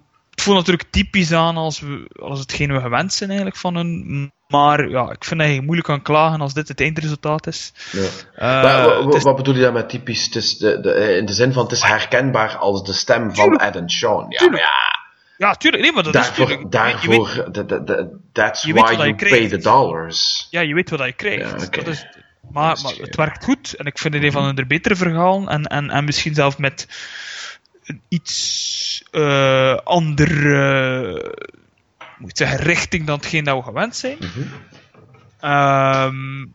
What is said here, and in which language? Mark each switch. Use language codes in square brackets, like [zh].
[nl] Het voelt natuurlijk typisch aan als hetgeen we gewend zijn eigenlijk van een... Maar ja, ik vind dat je moeilijk kan klagen als dit het eindresultaat is. Ja. Wat bedoel je dan met typisch? Het is in de zin van, het is herkenbaar als de stem van Ed en Sean. Ja, tuurlijk. Ja, tuurlijk. Nee, maar dat daarvoor, is tuurlijk. Daarvoor, [en] that's why you pay the dollars. [nl] Ja, je weet wat je krijgt. Ja, okay. Dat is, maar het werkt goed. En ik vind het een van de betere verhalen. En misschien zelfs met een iets andere moet ik zeggen, richting dan hetgeen dat we gewend zijn. Mm-hmm.